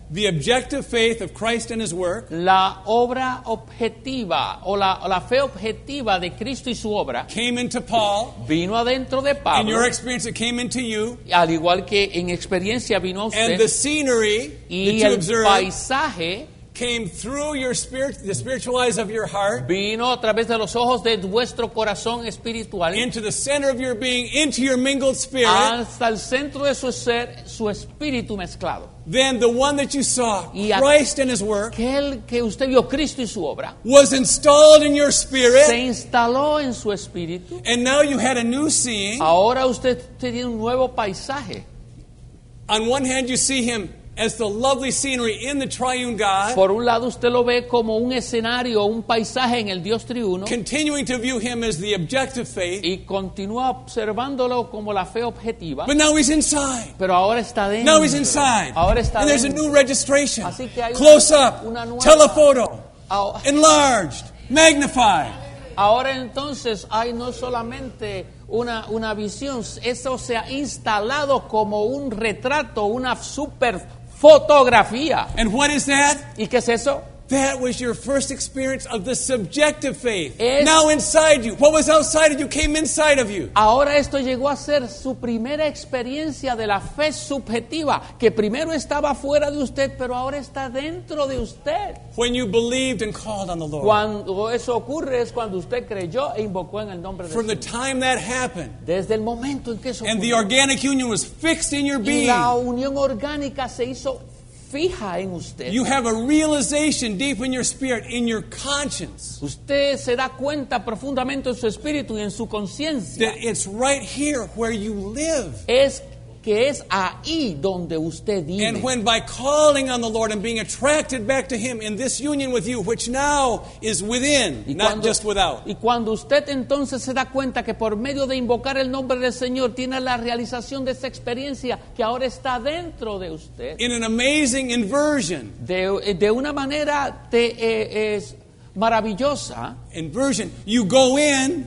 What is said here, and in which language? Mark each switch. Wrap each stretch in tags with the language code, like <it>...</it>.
<en>the objective faith of Christ and his work,</en> <es>la obra objetiva o la fe objetiva de Cristo y su obra,</es> <en>came into Paul,</en> <es>vino adentro de Pablo,</es> <en>in your experience it came into you,</en> <es>al igual que en experiencia vino a usted,</es> <en>and the scenery</en> <es>y</es> <en>that</en> <es>el</es> <en>you observed,</en> <es>paisaje</es> <en>came through your spirit, the spiritual eyes of your heart,</en> <es>vino a través de los ojos de vuestro corazón espiritual,</es> <en>into the center of your being, into your mingled spirit,</en> <es>hasta el centro de su ser, su espíritu mezclado.</es> <en>Then the one that you saw, Christ and his work,</en> <es>aquel que usted vio, Cristo y su obra,</es> <en>was installed in your spirit,</en> <es>se instaló en su espíritu,</es> <en>and now you had a new seeing.</en> <es>Ahora usted tiene un nuevo paisaje.</es> <en>On one hand you see him as the lovely scenery in the triune God.</en> <es>Por un lado usted lo ve como un escenario, un paisaje en el Dios triuno.</es> <en>Continuing to view him as the objective faith.</en> <es>Y continúa observándolo como la fe objetiva.</es> <en>But now he's inside.</en> <es>Pero ahora está dentro.</es> <en>Now he's inside.</en> <es>Ahora está</es> <en>and</en> <es>dentro.</es> <en>There's a new registration.</en> <es>Así que hay</es> <en>close</en> <es>una,</es> <en>up.</en> <es>Una nueva,</es> <en>telephoto. Enlarged. Magnified.</en> <es>Ahora entonces hay no solamente una visión. Eso se ha instalado como un retrato, una super fotografía.</es> <en>And what is that?</en> <es>¿Y qué es eso?</es> <en>That was your first experience of the subjective faith. Now inside you, what was outside of you came inside of you.</en> <es>Ahora esto llegó a ser su primera experiencia de la fe subjetiva, que primero estaba fuera de usted, pero ahora está dentro de usted.</es> <en>When you believed and called on the Lord.</en> <es>Cuando eso ocurre es cuando usted creyó e invocó en el nombre de Dios.</es> <en>From the time that happened.</en> <es>Desde el momento en que eso ocurrió.</es> <en>And the organic union was fixed in your being.</en> <es>Y la unión orgánica se hizo fija en usted.</es> <en>You have a realization deep in your spirit, in your conscience.</en> <es>Usted se da cuenta profundamente en su espíritu y en su conciencia.</es> <en>That it's right here where you live.</en> <es>Es que es ahí donde usted vive.</es> <en>And when by calling on the Lord and being attracted back to Him in this union with you, which now is within, not just without.</en> <es>Y cuando usted entonces se da cuenta que por medio de invocar el nombre del Señor tiene la realización de esa experiencia que ahora está dentro de usted.</es> <en>In an amazing inversion.</en> <es>De una manera es maravillosa.</es> <en>Inversion. You go in.</en>